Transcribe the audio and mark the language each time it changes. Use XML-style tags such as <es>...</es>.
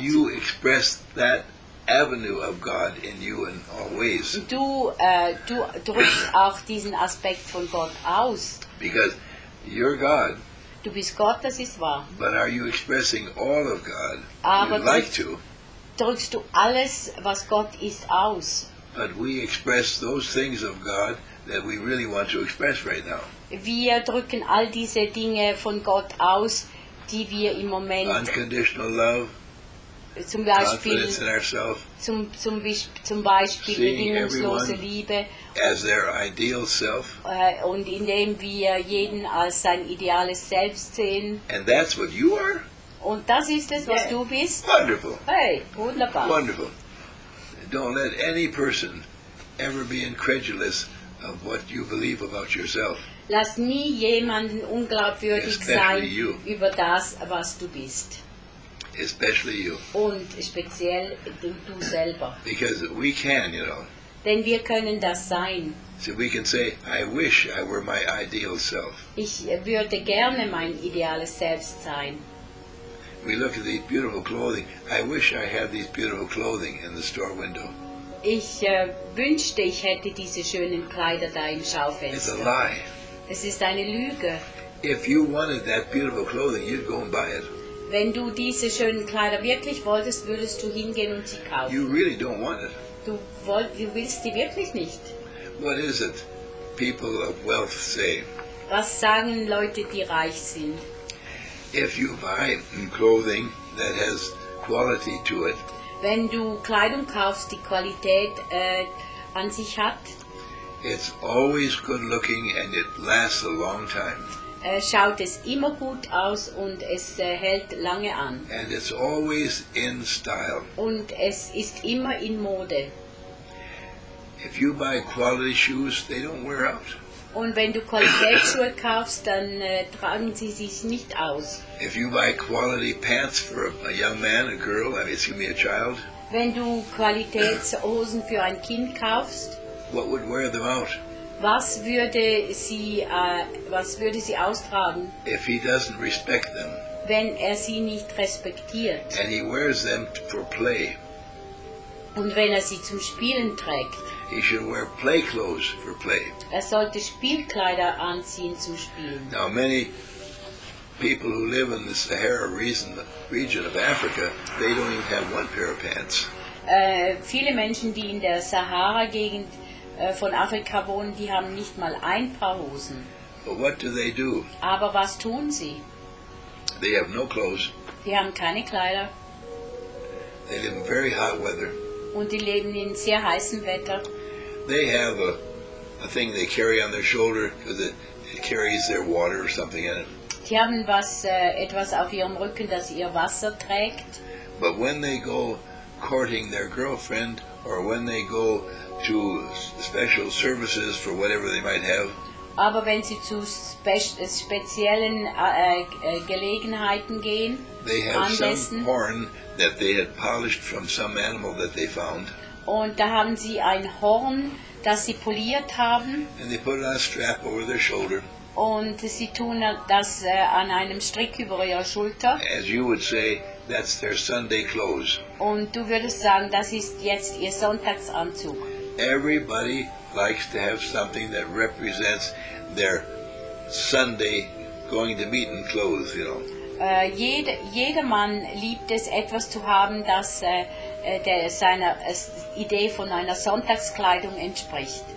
<en>You express that avenue of God in you in all ways.</en> <de>Du drückst auch diesen Aspekt von Gott aus.</de> <en>Because you're God.</en> <de>Du bist Gott, das ist wahr.</de> <en>But are you expressing all of God?</en> <de>Aber</de> <en>you'd like to.</en> <de>Drückst du alles, was Gott ist, aus?</de> <en>But we express those things of God that we really want to express right now.</en> <de>Wir drücken all diese Dinge von Gott aus, die wir im Moment.</de> <en>Unconditional love.</en> <de>Zum Beispiel.</de> <en>Confidence in ourselves.</en> <de>Zum Beispiel bedingungslose Liebe.</de> <en>As their ideal self.</en> <de>Und indem wir jeden als sein ideales Selbst sehen.</de> <en>And that's what you are?</en> <de>Und das ist es, was du bist?</de> <en>Wonderful.</en> <de>Hey, wunderbar.</de> <en>Wonderful. Don't let any person ever be incredulous of what you believe about yourself.</en> <de>Lass nie jemanden unglaubwürdig</de> <en>especially</en> <de>sein</de> <en>you.</en> <de>Über das, was du bist.</de> <en>Especially you.</en> <de>Und speziell du selber.</de> <en>Because we can, you know.</en> <de>Denn wir können das sein.</de> <en>So we can say, I wish I were my ideal self.</en> <de>Ich würde gerne mein ideales Selbst sein.</de> <en>We look at these beautiful clothing. I wish I had these beautiful clothing in the store window.</en> <de>Ich wünschte, ich hätte diese schönen Kleider da im Schaufenster.</de> <en>It's a lie.</en> <de>Es ist eine Lüge.</de> <en>If you wanted that beautiful clothing, you'd go and buy it.</en> <de>Wenn du diese schönen Kleider wirklich wolltest, würdest du hingehen und sie kaufen.</de> <en>You really don't want it.</en> <de>Du willst die wirklich nicht.</de> <en>What is it people of wealth say?</en> <de>Was sagen Leute, die reich sind?</de> <en>If you buy clothing that has quality to it.</en> <de>Wenn du Kleidung kaufst, die Qualität an sich hat.</de> <en>It's always good looking and it lasts a long time.</en> <de>Schaut es immer gut aus und es hält lange an.</de> <en>And it's always in style.</en> <de>Und es ist immer in Mode.</de> <en>If you buy quality shoes, they don't wear out.</en> <de>Und wenn du Qualitätsschuhe kaufst, dann tragen sie sich nicht aus.</de> <en>If you buy quality pants for a young man, a girl, I mean, excuse me, a child.</en> <de>Wenn du Qualitätshosen für ein Kind kaufst,</de> <en>what would wear them out?</en> <de>Was würde sie austragen?</de> <en>If he doesn't respect them.</en> <de>Wenn er sie nicht respektiert.</de> <en>And he wears them for play.</en> <de>Und wenn er sie zum Spielen trägt.</de> <en>He should wear play clothes for play.</en> <de>Er sollte Spielkleider anziehen zum Spielen.</de> <en>Now many people who live in the Sahara region of Africa, they don't even have one pair of pants.</en> <de>viele Menschen, die in der Sahara-Gegend von Afrika wohnen, die haben nicht mal ein paar Hosen.</de> <en>But what do they do?</en> <de>Aber was tun sie?</de> <en>They have no clothes.</en> <de>Die haben keine Kleider.</de> <en>They live in very hot weather.</en> <de>Und die leben in sehr heißem Wetter.</de> <en>They have a thing they carry on their shoulder because it carries their water or something in it.</en> <de>Die haben was etwas auf ihrem Rücken, das ihr Wasser trägt.</de> <en>But when they go courting their girlfriend or when they go to special services for whatever they might have.</en> <de>Aber wenn sie zu speziellen Gelegenheiten gehen,</de> <en>they have some horn that they had polished from some animal that they found.</en> <de>Und da haben sie ein Horn, das sie poliert haben.</de> <en>And they put a strap over their shoulder.</en> <de>Und sie tun das an einem Strick über ihrer Schulter.</de> <en>As you would say, that's their Sunday clothes.</en> <de>Und du würdest sagen, das ist jetzt ihr Sonntagsanzug.</de> <en>Everybody likes to have something that represents their Sunday going to meeting clothes, you know.</en> <de>Jedermann liebt es, etwas zu haben, das seiner Idee von einer Sonntagskleidung entspricht.</de>